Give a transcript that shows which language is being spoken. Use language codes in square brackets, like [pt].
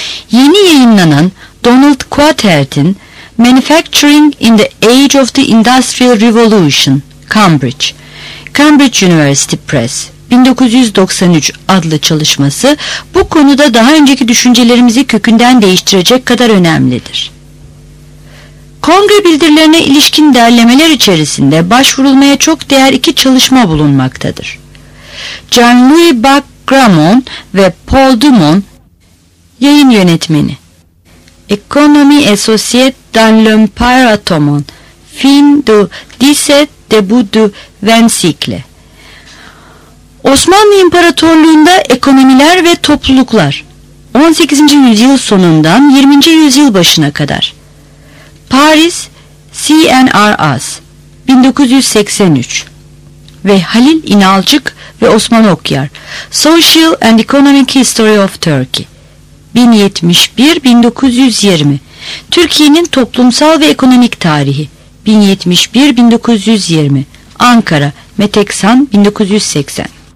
[tr] Yeni yayınlanan Donald Quartet'in Manufacturing in the Age of the Industrial Revolution, Cambridge, Cambridge University Press, 1993 adlı çalışması bu konuda daha önceki düşüncelerimizi kökünden değiştirecek kadar önemlidir. Kongre bildirilerine ilişkin derlemeler içerisinde başvurulmaya çok değer iki çalışma bulunmaktadır. Jean-Louis Bac-Gramont ve Paul Dumont, yayın yönetmeni. [fr] Economie et Société dans l'Empire Ottoman, fin du 17 début du 20 siècle. [tr] Osmanlı İmparatorluğu'nda ekonomiler ve topluluklar, 18. yüzyıl sonundan 20. yüzyıl başına kadar. Paris, CNRS, 1983 ve Halil İnalcık ve Osman Okyar, Social and Economic History of Turkey, 1071-1920, Türkiye'nin Toplumsal ve Ekonomik Tarihi, 1071-1920, Ankara, Meteksan, 1980.